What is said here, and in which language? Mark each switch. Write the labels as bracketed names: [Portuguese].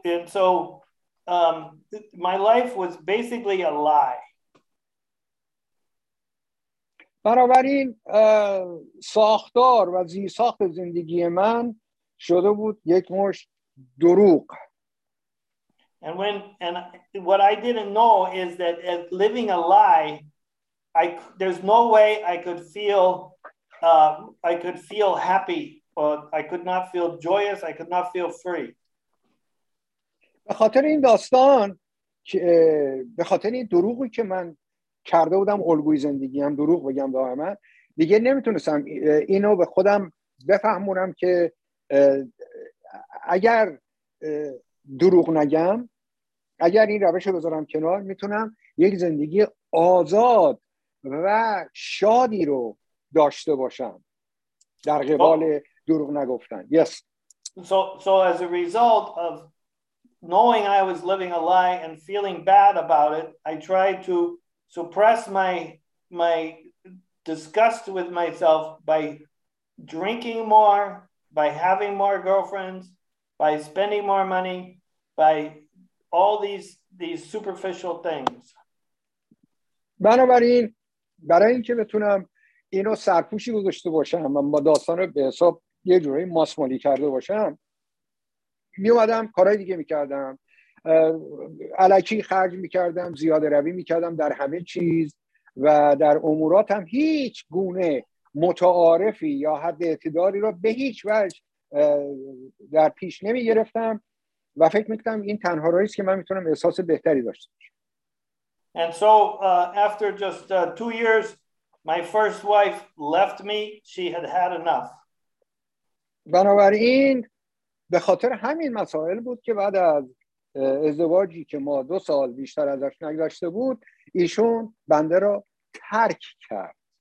[English] And so my life was basically a lie. [Persian] بنابراین ساختار و زیرساخت زندگی من شده بود یک مشت دروغ. [English] And what I didn't know is that as living a lie, there's no way I could feel happy, or I could not feel joyous, I could not feel free. [Persian] به خاطر این داستان که به خاطر این دروغی که من کرده بودم الگوی زندگیم دروغ بگم دائما دیگه نمیتونستم اینو به خودم بفهمونم که اگر دروغ نگم اگر این روش رو بذارم کنار میتونم یک زندگی آزاد و شادی رو داشته باشم در قبال دروغ نگفتن. [English] Yes. So as a result of knowing I was living a lie and feeling bad about it, I tried to suppress my disgust with myself by drinking more, by having more girlfriends, by spending more money, by all these superficial things. [Persian] بنابراین برای اینکه بتونم اینو سرپوشی گذاشته باشم و با داستان رو به حساب یه جوری ماسمالی کرده باشم می اومدم کارهای دیگه می کردم علکی خرج میکردم زیاده روی میکردم در همه چیز و در اموراتم هم هیچ گونه متعارفی یا حد اعتدالی را به هیچ وجه در پیش نمیگرفتم و فکر میکنم این تنها راهی است که من میتونم احساس بهتری داشته باشم. [English] And so after just 2 years my first wife left me. She had had enough. [Persian] بنابراین به خاطر همین مسائل بود که بعد از ازدواجی که ما 2 سال بیشتر ازش نگذشته بود ایشون بنده را ترک کرد.